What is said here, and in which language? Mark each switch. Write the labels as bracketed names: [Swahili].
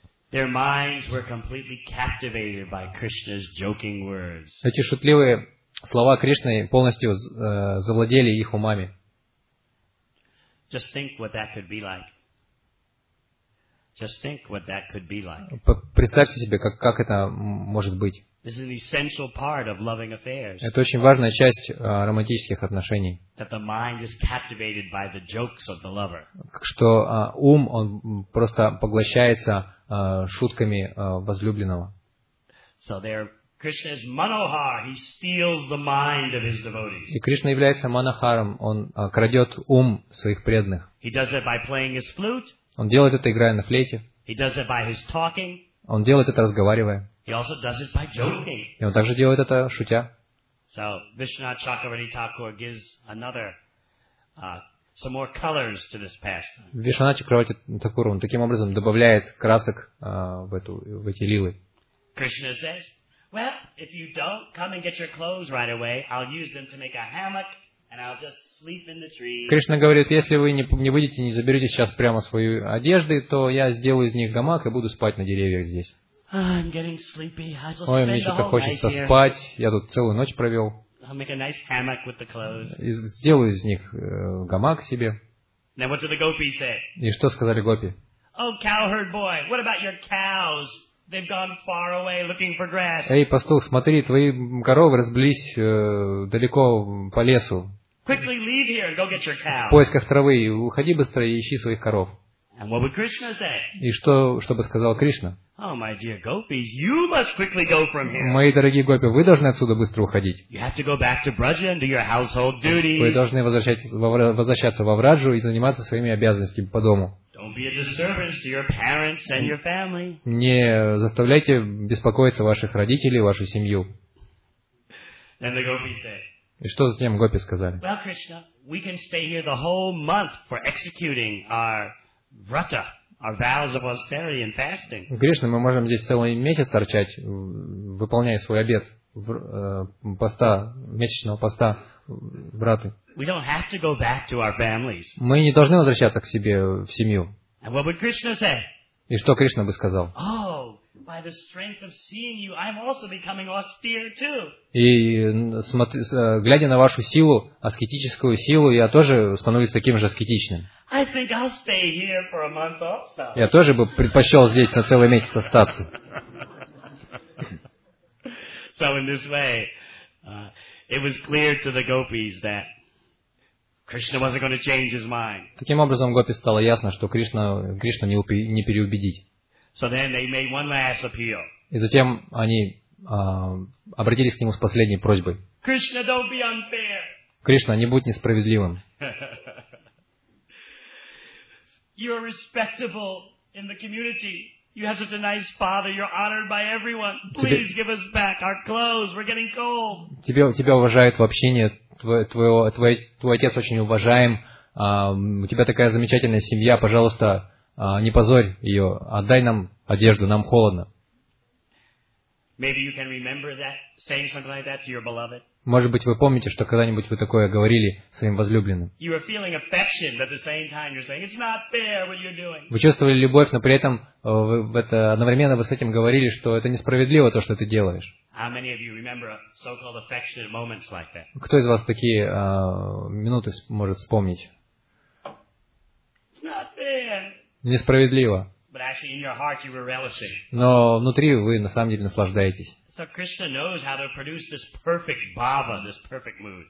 [English] Their minds were completely captivated by Krishna's joking words. [Russian] Эти шутливые слова Кришны полностью завладели их умами. [English] Just think what that could be like. Just think what that could be like. [Russian] Представьте себе, как это может быть. [English] This is an essential part of loving affairs. [Russian] Это очень важная часть романтических отношений. [English] That the mind is captivated by the jokes of the lover. [Russian] Что ум он просто поглощается шутками возлюбленного. [English] So there, Krishna's manohar. He steals the mind of his devotees. [Russian] И Кришна является манохаром. Он крадет ум своих преданных. [English] He does it by playing his flute. [Russian] Он делает это, играя на флейте. [English] He does it by his talking. [Russian] Он делает это, разговаривая. [English] He also does it by joking. [Russian] И он также делает это, шутя. [English] So Vishnath Chakravarti Thakur gives another some more colors to this pastime. [Russian] Вишванатх Чакраварти Тхакур он таким образом добавляет красок в эти лилы. [English] Krishna says, "Well, if you don't come and get your clothes right away, I'll use them to make a hammock and I'll just sleep in the tree." [Russian] Кришна говорит, если вы не выйдете, не заберете сейчас прямо свою одежды, то я сделаю из них гамак и буду спать на деревьях здесь. [English] I'm getting sleepy. [Russian] Ой, мне что-то хочется спать. Я тут целую ночь провел. [English] I'll make a nice hammock with the clothes. [Russian] И сделаю из них гамак себе. [English] Now what did the gopi say? [Russian] И что сказали гопи? [English] Oh, cowherd boy, what about your cows? They've gone far away looking for grass. [Russian] Эй, пастух, смотри, твои коровы разбились далеко по лесу. [English] Quickly leave here and go get your cows. [Russian] В поисках травы, уходи быстро и ищи своих коров. [English] And what would Krishna say? [Russian] И что бы сказал Кришна? [English] Oh, my dear gopis, you must quickly go from here. [Russian] Мои дорогие гопи, вы должны отсюда быстро уходить. [English] You have to go back to Braja and do your household duties. [Russian] Вы должны возвращаться во Враджу и заниматься своими обязанностями по дому. [English] Don't be a disturbance to your parents and your family. [Russian] Не заставляйте беспокоиться ваших родителей, вашу семью. [English] And the gopis say. [Russian] И что затем гопи сказали? [English] Well, Krishna, we can stay here the whole month for executing our vrata. Our vows of austerity and fasting. [Russian] Кришна, мы можем здесь целый месяц торчать, выполняя свой обет поста, месячного поста браты. [English] We don't have to go back to our families. [Russian] Мы не должны возвращаться к себе в семью. [English] And what would Krishna say? [Russian] И что Кришна бы сказал? [English] Oh, by the strength of seeing you, I'm also becoming austere too. [Russian] И глядя на вашу силу, аскетическую силу, я тоже становлюсь таким же аскетичным. [English] I think I'll stay here for a month also. [Russian] Я тоже бы предпочел здесь на целый месяц остаться. [English] So in this way, it was clear to the gopis that Krishna wasn't going to change his mind. [Russian] Таким образом, гопи стало ясно, что Кришна не переубедить. [English] So then they made one last appeal. [Russian] И затем они обратились к нему с последней просьбой. [English] Krishna, don't be unfair. [Russian] Кришна, не будь несправедливым. [English] You're respectable in the community. You have such a nice father. You're honored by everyone. Please give us back our clothes. We're getting cold. [Russian] Тебя уважают в общине. Твой отец очень уважаем. У тебя такая замечательная семья. Пожалуйста, не позорь ее. Отдай нам одежду. Нам холодно. [English] Maybe you can remember that, saying something like that to your beloved. [Russian] Может быть, вы помните, что когда-нибудь вы такое говорили своим возлюбленным. [English] You were feeling affection, but at the same time you're saying it's not fair what you're doing. [Russian] Вы чувствовали любовь, но при этом одновременно вы с этим говорили, что это несправедливо то, что ты делаешь. [English] How many of you remember so-called affectionate moments like that? [Russian] Кто из вас такие минуты может вспомнить? [English] It's not fair. [Russian] Несправедливо. [English] But actually, in your heart, you were relishing. [Russian] Но внутри вы на самом деле наслаждаетесь. [English] So Krishna knows how to produce this perfect bhava, this perfect mood.